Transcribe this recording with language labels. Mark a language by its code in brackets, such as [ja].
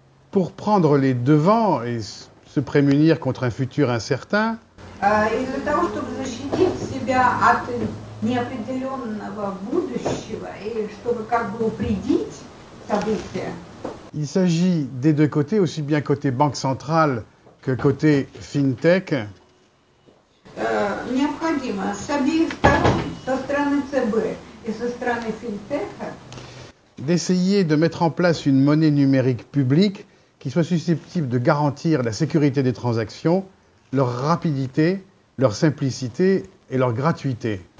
[fr] Pour prendre les devants et se prémunir contre un futur incertain, [ru] et для того, чтобы защитить себя от неопределенного будущего и чтобы как бы упредить события, [fr] il s'agit des deux côtés, aussi bien côté banque centrale que côté fintech. [ru] Необходимо с обеих сторон, со стороны ЦБ и со стороны финтеха, [fr] d'essayer de mettre en place une monnaie numérique publique qui soit susceptible de garantir la sécurité des transactions, leur rapidité, leur simplicité et leur gratuité.